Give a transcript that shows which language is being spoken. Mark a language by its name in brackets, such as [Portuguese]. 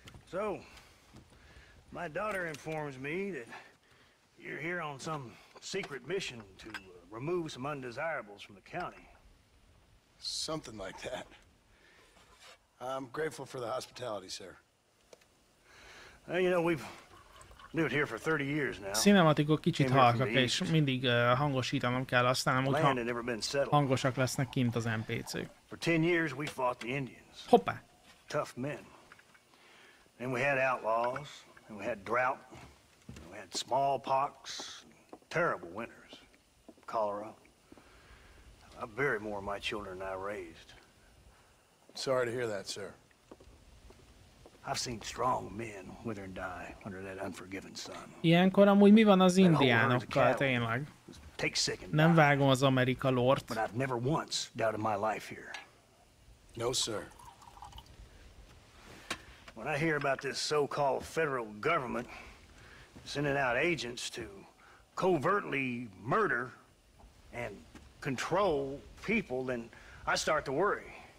[English] So, my daughter informs me that you're here on some secret mission to remove some undesirables from the county. Something like that. I'm grateful for the hospitality, sir. Well, you know, we've lived here for 30 years now. [Hungarian] Cinematikok kicsit halkak, és mindig hangosítanom kell, aztán amúgy hangosak lesznek kint az NPC-k. [English] For 10 years we fought the Indians. [Hungarian] Hoppá! [English] Tough men. And we had outlaws, and we had drought, and we had smallpox, terrible winters, cholera. I buried more of my children than I raised. Sorry to hear that, sir. I've seen strong men wither and die under that unforgiving sun. [Hungarian] Ilyenkor amúgy mi van az indiánokkal, tényleg? Nem vágom az Amerika lort. [English] But I've never once doubted my life here. No, sir. When I hear about this so-called federal government sending out agents to covertly murder and control people, then I start to worry.